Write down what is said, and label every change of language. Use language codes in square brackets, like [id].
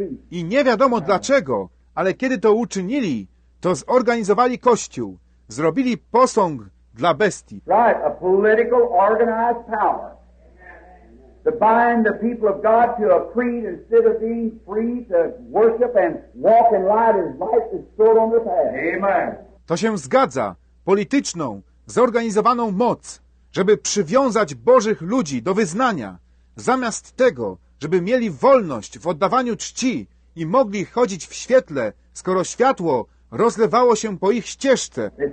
[pl] I nie wiadomo dlaczego, ale kiedy to uczynili, to zorganizowali kościół, zrobili posąg dla bestii. [en] Right, a political organized power to bind the people of God to a creed instead of being free to worship and walk in light as light is stored on the path. Amen. [pl] To się zgadza. Polityczną, zorganizowaną moc, żeby przywiązać Bożych ludzi do wyznania, zamiast tego, żeby mieli wolność w oddawaniu czci i mogli chodzić w świetle, skoro światło rozlewało się po ich ścieżce.